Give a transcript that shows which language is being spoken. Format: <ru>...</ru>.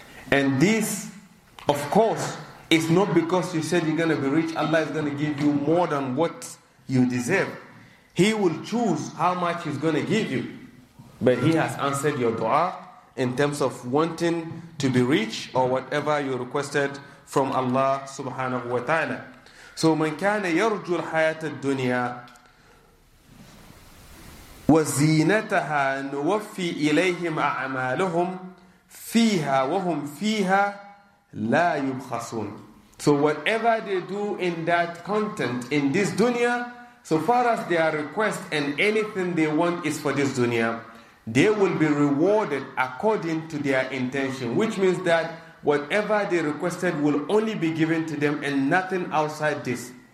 <en>And this, of course, is not because you said you're going to be rich, Allah is going to give you more than what you deserve. He will choose how much He's going to give you. But He has answered your dua in terms of wanting to be rich or whatever you requested from Allah subhanahu wa ta'ala.</en> <ar>So, من كان يرجو الحياة الدنيا وزينتها نوفي إليهم أعمالهم فيها وهم فيها لا يبخسون.</ar> <en>So, whatever they do in that content, in this dunya, so far as their request and anything they want is for this dunya, they will be rewarded according to their intention, which means that whatever they requested will only be given to them and nothing outside this.</en>